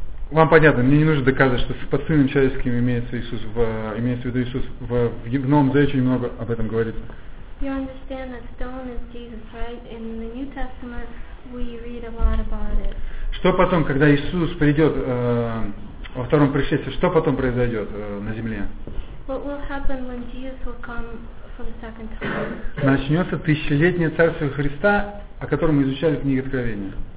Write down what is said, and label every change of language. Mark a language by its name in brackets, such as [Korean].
[Russian] Вам понятно, мне не нужно доказывать, что под Сыном Человеческим имеется в виду Иисус. В Новом Завете очень много об этом говорится. [English] You understand that stone is Jesus, right? In the New Testament we read a lot about it. [Russian] Что потом, когда Иисус придет во втором пришествии, что потом произойдет на земле? [English] What will happen when Jesus will come for the second time? [Russian] Начнется тысячелетнее Царство Христа, о котором мы изучали в книге Откровения.